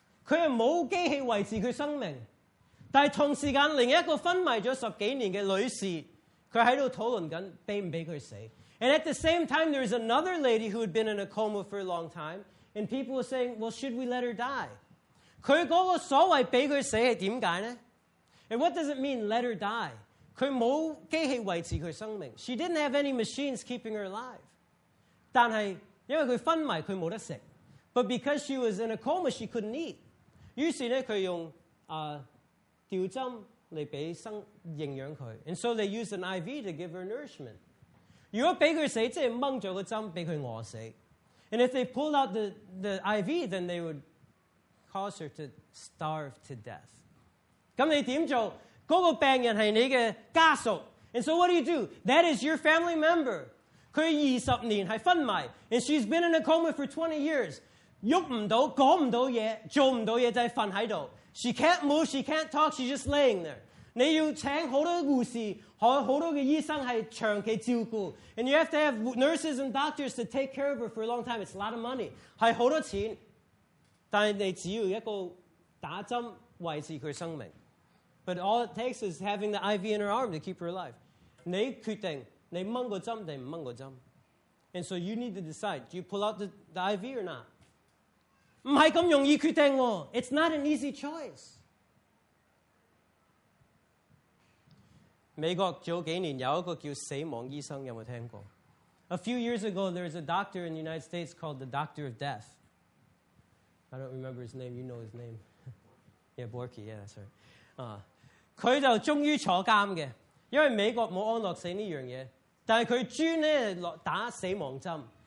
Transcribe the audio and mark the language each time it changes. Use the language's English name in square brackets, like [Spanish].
[Cantonese] 佢係冇機器維持佢生命，但係同時間另一個昏迷咗十幾年嘅女士，佢喺度討論緊俾唔俾佢死。 [English] And at the same time, there's another lady who had been in a coma for a long time. And people were saying, well, should we let her die? [Cantonese] 佢嗰個所謂俾佢死係點解呢？ [English] And what does it mean, let her die? [Cantonese] 佢冇機器維持佢生命。 [English] She didn't have any machines keeping her alive. [Cantonese] 但係因為佢昏迷，佢冇得食。 [English] But because she was in a coma, she couldn't eat. [Cantonese] 於是呢，佢用吊針嚟俾生營養佢。 [English] And so they used an IV to give her nourishment. [Cantonese] 如果俾佢死，即係掹咗個針俾佢餓死。 [English] And if they pulled out the IV, then they would cause her to starve to death. [Cantonese] 咁你點做？嗰個病人係你嘅家屬。 [English] And so what do you do? That is your family member. [Cantonese] 佢二十年係昏迷 [English] ，and she's been in a coma for 20 years. [Cantonese] 喐唔到，講唔到嘢，做唔到嘢，就係瞓喺度。 [English] She can't move, she can't talk, she's just laying there. [Cantonese] 你要請好多護士，好多嘅醫生係長期照顧 [English] ，and you have to have nurses and doctors to take care of her for a long time. It's a lot of money， [Cantonese] 係好多錢，但係你只要一個打針維持佢生命。 [English] But all it takes is having the IV in her arm to keep her alive. [Cantonese] 你決定你掹個針定唔掹個針 [English] ，and so you need to decide: do you pull out the IV or not？ [Cantonese] 唔係咁容易決定喎 ， [English] it's not an easy choice。 [Cantonese] 美國早幾年有一個叫死亡醫生，有冇聽過 [English] ？A few years ago, there was a doctor in the United States called the Doctor of Death. I don't remember his name. You know his name? Yeah, Borky. Yeah, that's right. [Cantonese] 佢就終於坐監嘅，因為美國冇安樂死呢樣嘢，但係佢專咧落打死亡針。